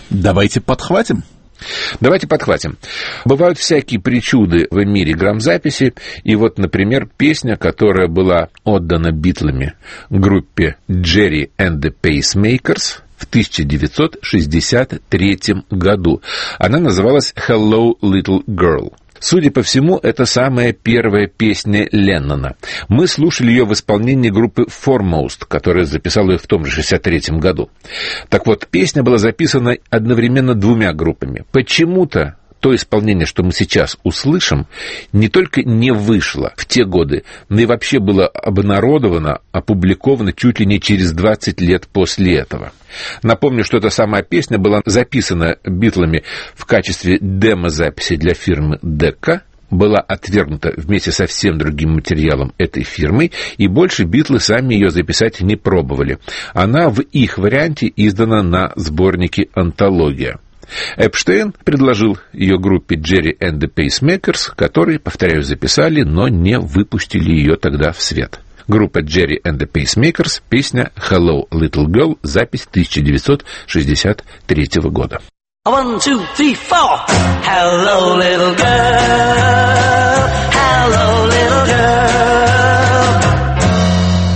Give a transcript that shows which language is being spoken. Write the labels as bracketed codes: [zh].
[ru] Давайте подхватим. Давайте подхватим. Бывают всякие причуды в мире грамзаписи, и вот, например, песня, которая была отдана Битлами группе «Jerry and the Pacemakers» в 1963 году. Она называлась «Hello, Little Girl». Судя по всему, это самая первая песня Леннона. Мы слушали ее в исполнении группы Foremost, которая записала ее в том же 63-м году. Так вот, песня была записана одновременно двумя группами. Почему-то то исполнение, что мы сейчас услышим, не только не вышло в те годы, но и вообще было обнародовано, опубликовано чуть ли не через 20 лет после этого. Напомню, что эта самая песня была записана Битлами в качестве демозаписи для фирмы «Дека», была отвергнута вместе со всем другим материалом этой фирмы, и больше Битлы сами ее записать не пробовали. Она в их варианте издана на сборнике «Антология». Эпштейн предложил ее группе «Jerry and the Pacemakers», которые, повторяю, записали, но не выпустили ее тогда в свет. Группа «Jerry and the Pacemakers», песня «Hello, Little Girl», запись 1963 года. [en] One, two, three, four. Hello, little girl. Hello, little girl.